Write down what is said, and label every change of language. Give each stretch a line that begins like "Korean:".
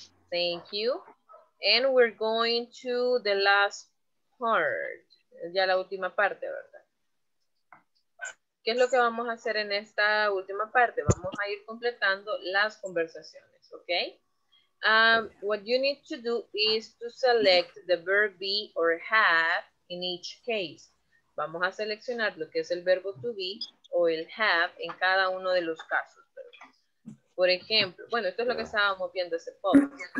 English: Thank you. And we're going to the last part.
Spanish: Ya la última parte, ¿verdad? ¿Qué es lo que vamos a hacer en esta última parte? Vamos a ir completando las conversaciones, ¿ok?
English: What you need to do is to select the verb be or have in each case.
Spanish: Vamos a seleccionar lo que es el verbo to be o el have en cada uno de los casos. Por ejemplo, bueno, esto es lo que estábamos viendo hace poco.